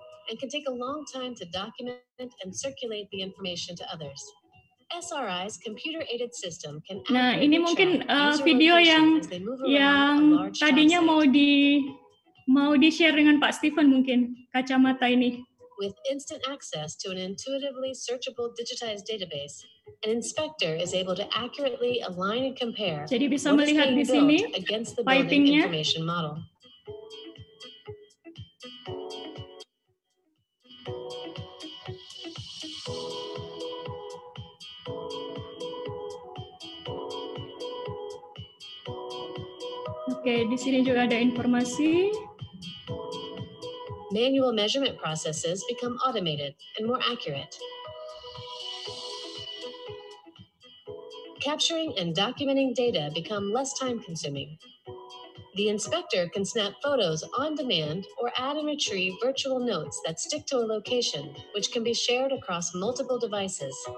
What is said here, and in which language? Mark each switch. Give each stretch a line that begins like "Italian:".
English: And can take a long time to document and circulate the information to others. SRI's computer-aided system can.
Indonesian: Nah, ini mungkin video yang tadinya mau di share dengan Pak Steven, mungkin kacamata ini.
English: With instant access to an intuitively searchable digitized database, an inspector is able to accurately align and compare.
Indonesian: Jadi bisa melihat di sini piping-nya. Oke, di sini juga ada informasi.
English: Manual measurement processes become automated and more accurate. Capturing and documenting data become less time consuming. The inspector can snap photos on demand or add and retrieve virtual notes that stick to a location, which can be shared across multiple devices.